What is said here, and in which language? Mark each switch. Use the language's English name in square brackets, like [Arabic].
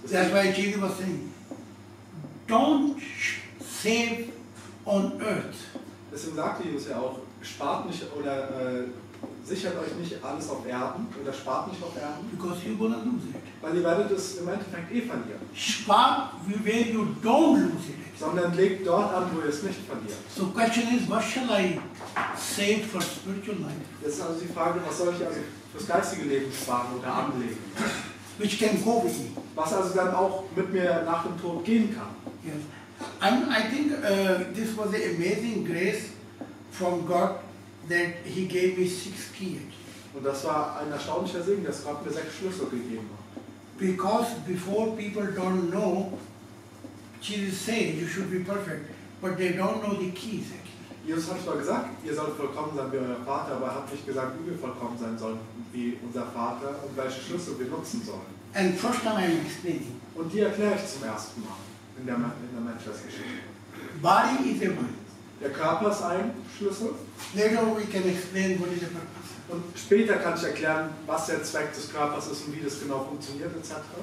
[English] That's why Jesus was saying, don't save on earth. [German] Deswegen sagte Jesus ja auch, spart nicht oder sichert euch nicht alles auf Erden oder spart nicht auf Erden. [English] Because you're gonna lose it. [German] Weil ihr werdet es im Endeffekt eh verlieren. [English] Spart where you don't lose it. [German] Sondern legt dort an, wo ihr es nicht verliert. [English] So question is, what shall I save for spiritual life? [German] Das ist also die Frage, was soll ich also fürs geistige Leben sparen oder anlegen? [English] Which can go with me. [German] Was also dann auch mit mir nach dem Tod gehen kann. [English] Yes. And I think this was an amazing grace from God that he gave me 6 keys. [German] Und das war ein erstaunlicher Segen, dass Gott mir 6 Schlüssel gegeben hat. [English] Because before people don't know, Jesus said you should be perfect, but they don't know the keys actually. [German] Jesus hat zwar gesagt, ihr sollt vollkommen sein wie euer Vater, aber er hat nicht gesagt, wie wir vollkommen sein sollen wie unser Vater und welche Schlüssel wir nutzen sollen. [English] And first time I'm explaining. [German] Und die erkläre ich zum ersten Mal in der Menschheitsgeschichte. [English] Body is a mind. [German] Der Körper ist ein Schlüssel. [English] Later we can explain what is the purpose. [German] Und später kann ich erklären, was der Zweck des Körpers ist und wie das genau funktioniert, etc.